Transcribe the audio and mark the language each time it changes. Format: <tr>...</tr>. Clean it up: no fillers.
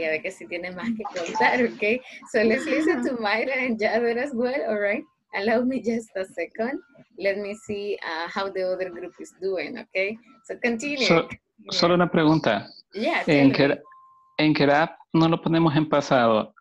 <es>Ya ve que si tiene más que contar, okay?</es> <en>So let's listen to Mayra and Javier as well, all right? Allow me just a second. Let me see how the other group is doing, okay? So continue.</en> <es>Solo una pregunta.</es> <en>Yeah,</en> <es>En get up no lo ponemos en pasado.</es>